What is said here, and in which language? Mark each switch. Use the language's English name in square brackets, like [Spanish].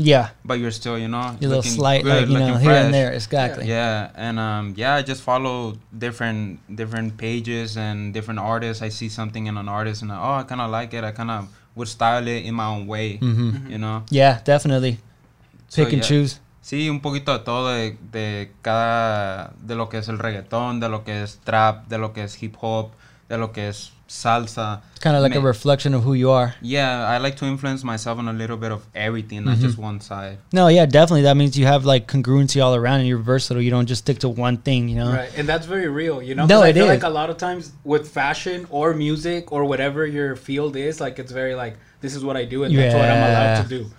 [English] Yeah. But you're still, you know, you're looking a little slight, good, like, you looking know, fresh. Here and there. Exactly. Yeah. And I just follow different pages and different artists. I see something in an artist and I kind of like it. I kind of would style it in my own way, you know? Yeah, definitely. Pick and choose. [Spanish] Sí, un poquito de todo, de cada, de lo que es el reggaetón, de lo que es trap, de lo que es hip hop, de lo que es salsa. [English] It's kind of like a reflection of who you are. Yeah, I like to influence myself on a little bit of everything, not just one side. No, yeah, definitely. That means you have like congruency all around and you're versatile. You don't just stick to one thing, you know? Right, and that's very real, you know? No, it is. I feel like a lot of times with fashion or music or whatever your field is, like it's very like, this is what I do and that's what I'm allowed to do.